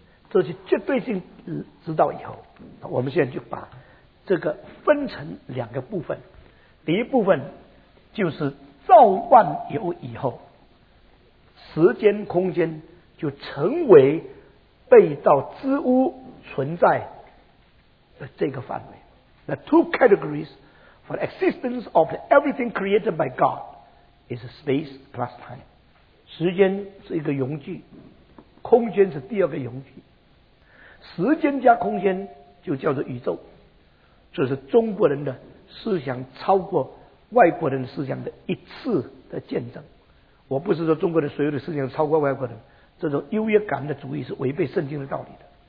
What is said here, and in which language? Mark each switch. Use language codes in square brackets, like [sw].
[zh] 这些绝对性知道以后，我们现在就把这个分成两个部分。第一部分就是造万有以后，时间空间就成为被造之物存在的这个范围。 [en] The two categories for the existence of everything created by God is space plus time。 [zh] 时间是一个容器，空间是第二个容器，时间加空间就叫做宇宙。这是中国人的思想超过外国人的思想的一次的见证。我不是说中国人所有的思想超过外国人，这种优越感的主义是违背圣经的道理的。